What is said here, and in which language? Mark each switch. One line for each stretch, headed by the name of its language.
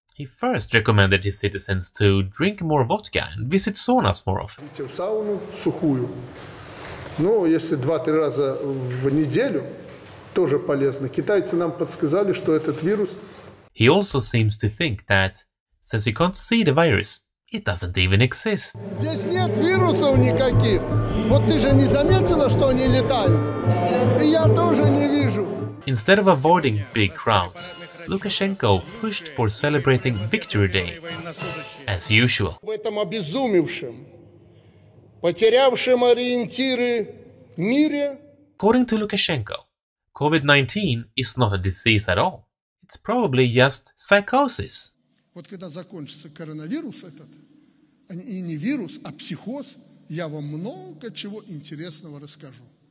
English: He first recommended his citizens to drink more vodka and visit saunas more often. He also seems to think that, since you can't see the virus, It doesn't even exist.
Russian: Здесь нет вирусов никаких. Вот ты же не заметила, что они летают? И я тоже не вижу.
English: Instead of avoiding big crowds, Lukashenko pushed for celebrating Victory Day, as usual.
Russian: В этом обезумевшем, потерявшем ориентиры мире.
English: According to Lukashenko, COVID-19 is not a disease at all. It's probably just psychosis.
Russian: Вот когда закончится коронавирус этот, и не вирус, а психоз, я вам много чего интересного расскажу.